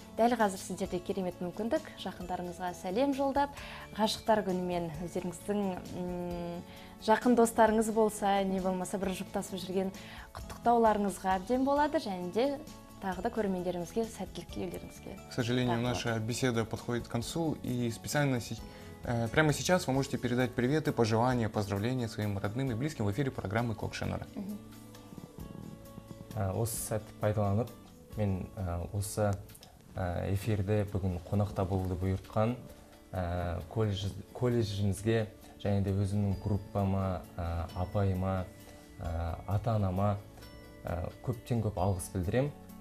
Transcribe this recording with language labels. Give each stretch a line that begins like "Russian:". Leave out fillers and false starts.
Kazakh: Дәл қазір сіздерде керемет мүмкіндік, жақындарыңызға сәлем жолдап, ғашықтар күнімен өздеріңіздің жақын достарыңыз болса, не болмаса бір жұптасып жүрген құттықтауларыңызға әбден болады, және де тағы да көрермендеріңізге сәттілік тілеулеріңізге.
Russian: К сожалению, наша беседа подходит к концу, и специально прямо сейчас вы можете передать приветы, пожелания, поздравления своим родным и близким в эфире программы Кок Шенора.
Kazakh: Осы сәтті пайдаланып, мен осы эфирде бүгін қонақта болуды бұйыртқан колледжіңізге және де өзімнің группама, апайыма, ата-анама көптен көп алғыс білдірем.